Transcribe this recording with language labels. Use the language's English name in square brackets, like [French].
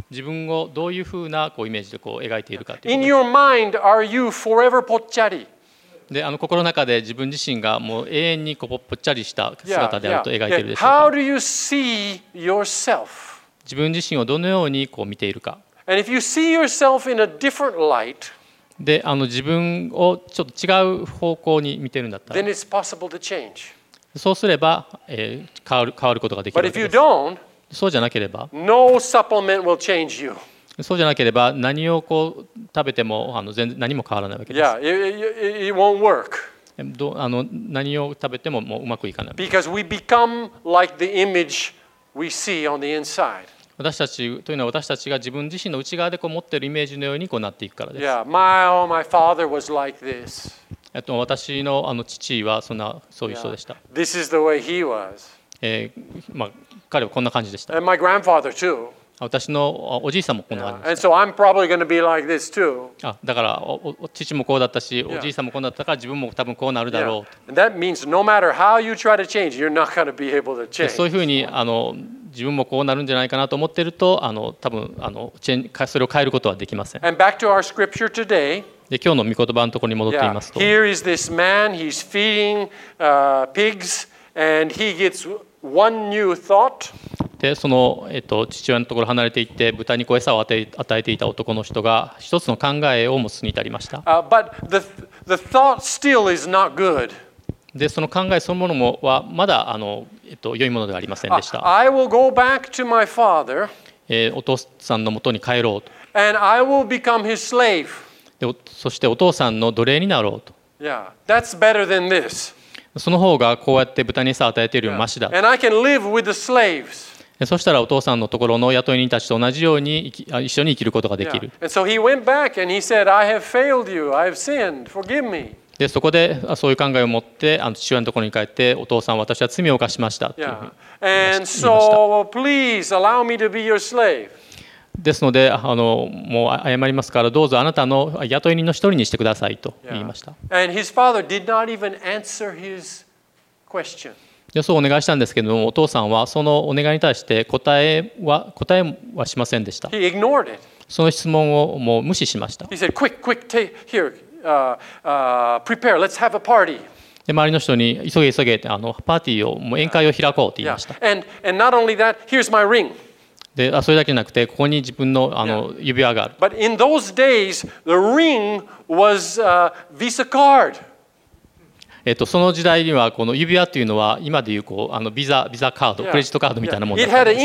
[Japanese] 自分をどういうふうなこうイメージでこう描いているかということ。 [English] In your mind, are you forever ぽっちゃり？ [Japanese] で、あの心の中で自分自身がもう永遠にこうぽっちゃりした姿であると描いているでしょうか？ [English] How do you see yourself? [Japanese] 自分自身をどのようにこう見ているか。 [English] And if you see yourself in a different light, [Japanese] で、あの自分をちょっと違う方向に見てるんだったら、 [English] Then it's possible to change. [Japanese] そうすれば、変わることができるわけです。 [English] But if you don't, [Japanese] そうじゃなければ、 [English] no supplement will change you. [Japanese] そうじゃなければ何をこう食べてもあの全然何も変わらないわけです。 [English] Yeah, it won't work. [Japanese] あの何を食べてももううまくいかない。 [English] Because we become like the image we see on the inside. [Japanese] 私たちというのは私たちが自分自身の内側でこう持っているイメージのようにこうなっていくからです。 [English] Yeah, my father was like this. [Japanese] 私の、あの父はそんなそういう人でした。 [English] Yeah, this is the way he was. [Japanese] まあ、彼はこんな感じでした。 [English] And my grandfather too. [Japanese] 私のおじいさんもこんな感じでした。 [English] And so I'm probably going to be like this too. [Japanese] あ、だから父もこうだったし、おじいさんもこうだったから自分も多分こうなるだろう。 [English] Yeah. And that means no matter how you try to change, you're not going to be able to change. [Japanese] そういうふうにあの自分もこうなるんじゃないかなと思っていると、あの多分あのそれを変えることはできません。 [English] And back to our scripture today, [Japanese] で今日の御言葉のところに戻っていますと、 [English] Here is this man, he's feeding pigs, and he gets one new thought. [Japanese] でその、父親のところ離れていって豚にこう餌を与えていた男の人が一つの考えを持つに至りました。 [English] But the thought still is not good. [Japanese] でその考えそのものもはまだあの、良いものではありませんでした。 [English] I will go back to my father, [Japanese] お父さんのもとに帰ろうと。 [English] And I will become his slave. [Japanese] でそしてお父さんの奴隷になろうと。 [English] Yeah, that's better than this. [Japanese] その方がこうやって豚に餌を与えているよりマシだ。 [English] And I can live with the slaves. [Japanese] そしたらお父さんのところの雇い人たちと同じように一緒に生きることができる。 [English] And so he went back and he said, I have failed you. I have sinned. Forgive me. [Japanese] でそこでそういう考えを持って父親のところに帰ってお父さん私は罪を犯しましたというふうに言いました。 [English] Yeah. And so, please allow me to be your slave. [Japanese] ですのであのもう謝りますからどうぞあなたの雇い人の一人にしてくださいと言いました。 [English] Yeah. And his father did not even answer his question. [Japanese] でそうお願いしたんですけどもお父さんはそのお願いに対して答えはしませんでした。 [English] He ignored it. [Japanese] その質問をもう無視しました。 [English] He said, quick, take here. Prepare. Let's have a party. [Japanese] で周りの人に急げ急げってあのパーティーをもう宴会を開こうと言いました。 [English] Yeah. And not only that, here's my ring. [Japanese] で、あ、それだけじゃなくてここに自分のあの指輪がある。 [English] But in those days, the ring was a Visa card. [Japanese] その時代にはこの指輪というのは今でいうこうあのビザカード、クレジットカードみたいなものだったんです。